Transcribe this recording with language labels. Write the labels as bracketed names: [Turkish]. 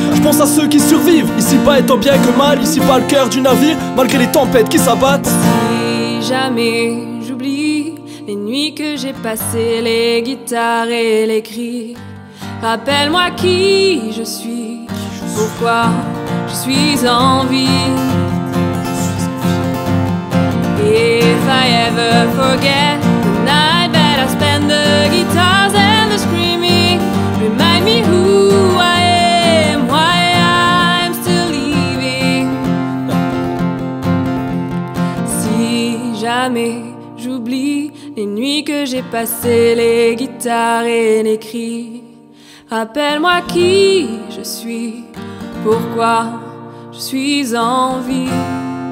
[French] Je pense à ceux qui survivent, ici bas étant bien que mal. Ici bas le cœur du navire, malgré les tempêtes qui s'abattent. Si jamais j'oublie les nuits que j'ai passées, les guitares et les cris. Rappelle-moi qui je suis, pourquoi je suis en vie. [English] If I ever forget night that I spend the guitars and the screaming, remind me who I am, why I'm still living. [French] Si jamais j'oublie les nuits que j'ai passées, les guitares et les cris, rappelle-moi qui je suis, pourquoi je suis en vie.